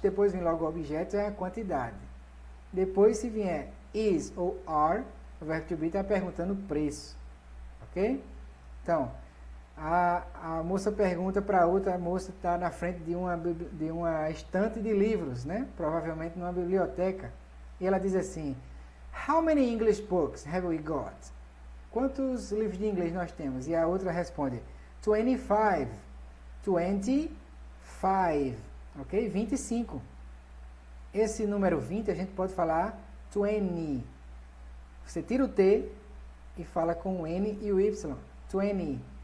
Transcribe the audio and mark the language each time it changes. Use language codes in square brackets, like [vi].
[pt] Depois vem logo o objeto, é a quantidade. Depois, se vier is ou are, o verbo to be está perguntando o preço. Ok? Então, a moça pergunta para outra, a moça está na frente de uma estante de livros, né? Provavelmente numa biblioteca. E ela diz assim, [en] how many English books have we got? [pt] Quantos livros de inglês nós temos? E a outra responde, 25. 25. Ok? 25. Esse número 20 a gente pode falar 20. Você tira o T e fala com o N e o Y. 20.